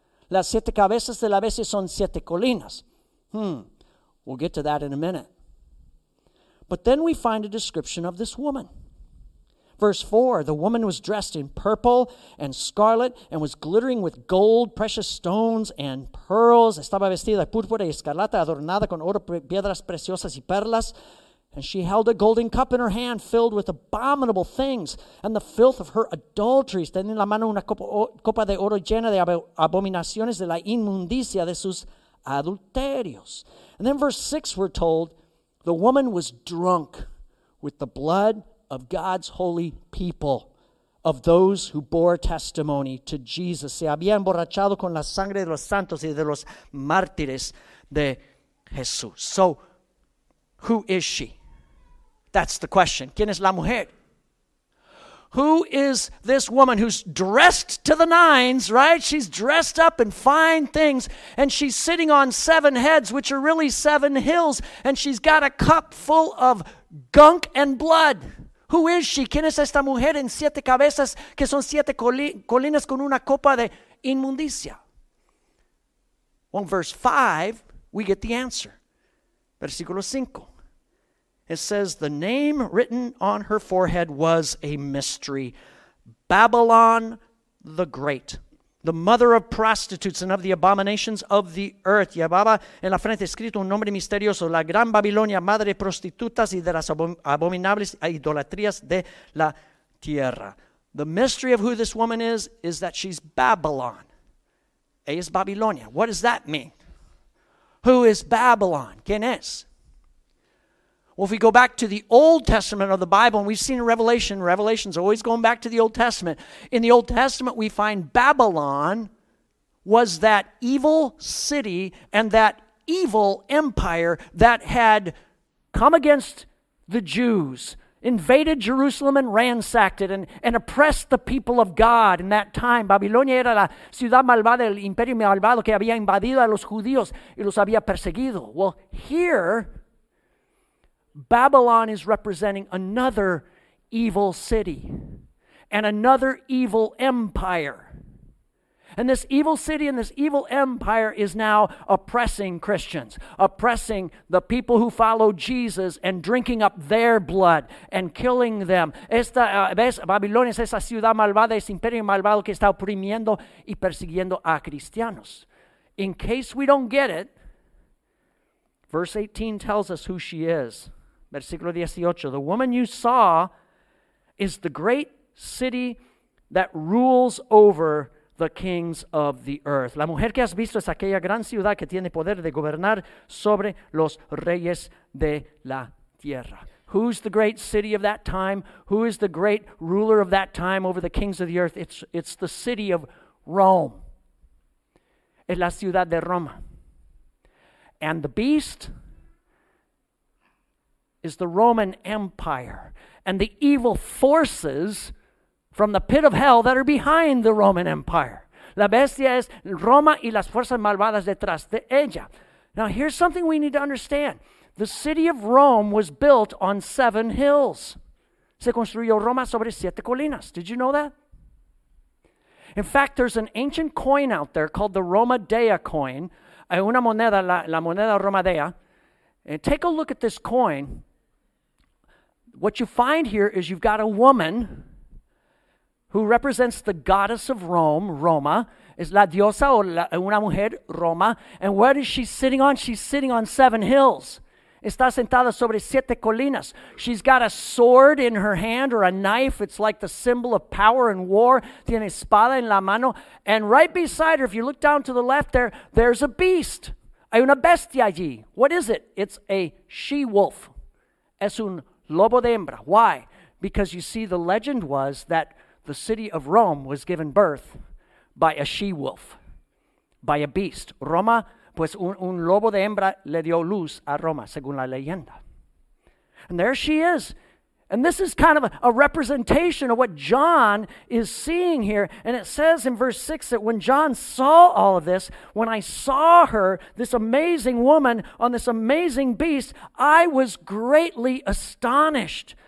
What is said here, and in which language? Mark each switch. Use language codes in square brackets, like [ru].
[es] Las siete cabezas de la bestia son siete colinas. [en] We'll get to that in a minute. But then we find a description of this woman. Verse 4, the woman was dressed in purple and scarlet and was glittering with gold, precious stones, and pearls. [es] Estaba vestida de púrpura y escarlata, adornada con oro, piedras preciosas y perlas. [en] And she held a golden cup in her hand filled with abominable things and the filth of her adulteries. [es] Tenía en la mano una copa de oro llena de abominaciones de la inmundicia de sus adulterios. [en] And then verse 6, we're told, the woman was drunk with the blood of God's holy people, of those who bore testimony to Jesus. [es] Se había emborrachado con la sangre de los santos y de los mártires de Jesús. [en] So, who is she? That's the question. [es] ¿Quién es la mujer? [en] Who is this woman who's dressed to the nines, right? She's dressed up in fine things, and she's sitting on seven heads, which are really seven hills, and she's got a cup full of gunk and blood. Who is she? [es] ¿Quién es esta mujer en siete cabezas que son siete colinas con una copa de inmundicia? [en] Well, verse 5, we get the answer. [es] Versículo 5. [en] It says, the name written on her forehead was a mystery. Babylon the Great, the mother of prostitutes and of the abominations of the earth. [es] Llevaba en la frente escrito un nombre misterioso, la gran Babilonia, madre de prostitutas y de las abominables idolatrías de la tierra. [en] The mystery of who this woman is that she's Babylon. [es] Ella es Babilonia. [en] What does that mean? Who is Babylon? [es] ¿Quién es? [en] Well, if we go back to the Old Testament of the Bible, and we've seen Revelation, Revelation's always going back to the Old Testament. In the Old Testament, we find Babylon was that evil city and that evil empire that had come against the Jews, invaded Jerusalem and ransacked it and oppressed the people of God in that time. [es] Babilonia era la ciudad malvada, el imperio malvado que había invadido a los judíos y los había perseguido. [en] Well, here, Babylon is representing another evil city and another evil empire. And this evil city and this evil empire is now oppressing Christians, oppressing the people who follow Jesus and drinking up their blood and killing them. [es] Esta ves, Babilonia es esa ciudad malvada, ese imperio malvado que está oprimiendo y persiguiendo a cristianos. [en] In case we don't get it, verse 18 tells us who she is. [es] Versículo 18, [en] the woman you saw is the great city that rules over the kings of the earth. [es] La mujer que has visto es aquella gran ciudad que tiene poder de gobernar sobre los reyes de la tierra. [en] Who's the great city of that time? Who is the great ruler of that time over the kings of the earth? It's the city of Rome. [es] Es la ciudad de Roma. [en] And the beast is the Roman Empire and the evil forces from the pit of hell that are behind the Roman Empire. [es] La bestia es Roma y las fuerzas malvadas detrás de ella. [en] Now, here's something we need to understand. The city of Rome was built on seven hills. [es] Se construyó Roma sobre siete colinas. [en] Did you know that? In fact, there's an ancient coin out there called the Roma Dea coin. [es] Hay una moneda, la moneda Roma Dea. [en] And take a look at this coin. What you find here is you've got a woman who represents the goddess of Rome, Roma. [es] Es la diosa o una mujer, Roma. [en] And what is she sitting on? She's sitting on seven hills. [es] Está sentada sobre siete colinas. [en] She's got a sword in her hand or a knife. It's like the symbol of power and war. [es] Tiene espada en la mano. [en] And right beside her, if you look down to the left there, there's a beast. [es] Hay una bestia allí. [en] What is it? It's a she-wolf. [es] Es un lobo de hembra. [en] Why? Because you see, the legend was that the city of Rome was given birth by a she-wolf, by a beast. [es] Roma, pues un lobo de hembra le dio luz a Roma, según la leyenda. [en] And there she is. And this is kind of a representation of what John is seeing here. And it says in verse 6 that when John saw all of this, when I saw her, this amazing woman on this amazing beast, I was greatly astonished.